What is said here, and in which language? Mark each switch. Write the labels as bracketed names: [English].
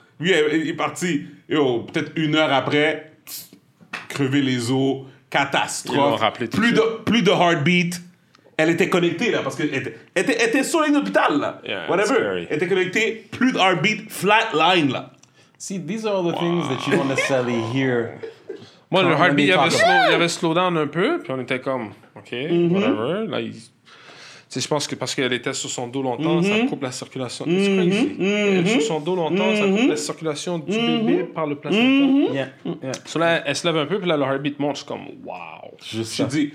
[French] Lui, il est parti, yo, peut-être une heure après, crever les os, catastrophe. Ils l'ont rappelé tout de suite. Plus de heartbeat. Elle était connectée là, parce qu'elle était sur une hôpital là. [English] Yeah, whatever. [French] Elle était connectée, plus de heartbeat, flat line là. [English] See, these are all the things that you don't necessarily hear. [French] Moi, le heartbeat, il y avait [English] slow down [French] un peu, puis on était comme, OK, mm-hmm. whatever. Là, je pense que parce qu'elle était sur son dos longtemps, mm-hmm. ça coupe la circulation. Mm-hmm. [English] It's crazy. Mm-hmm. [French] Sur son dos longtemps, mm-hmm. ça coupe la circulation du mm-hmm. bébé par le placenta. Mm-hmm. Yeah. So là, elle se lève un peu, puis là, le heartbeat monte. Je suis comme, wow.